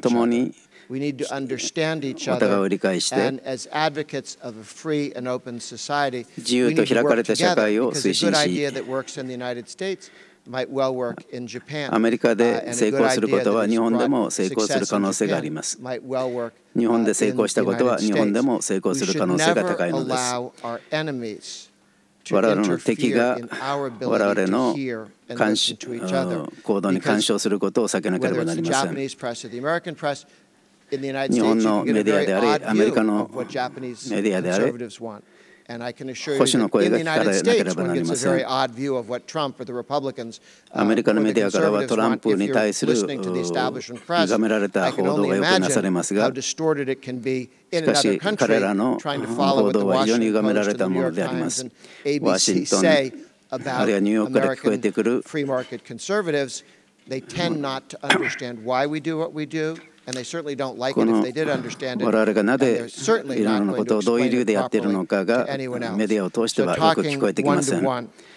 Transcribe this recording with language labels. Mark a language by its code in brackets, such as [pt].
[ja] 共に [en] We need to understand each other, and as advocates of a free and open society, we need to work together because a good idea that works in the United States might well work in Japan. And a good idea that has brought success in Japan might well work in the United States. We should never allow our enemies to interfere in our ability to hear. [ja] 監視行動に干渉することを避けなければなりません。日本のメディアであれ、アメリカのメディアであれ、保守の声が聞かれなければなりません。アメリカのメディアからはトランプに対する歪められた報道がよくなされますが、しかし彼らの報道は非常に歪められたものであります。ワシントン、あるいはニューヨークから聞こえてくる [en] free market conservatives, they tend not to understand why we do what we do, and they certainly don't like it if they did understand it. [ja] 我々がなぜいろんなことをどういう理由でやっているのかがメディアを通してはよく聞こえてきません。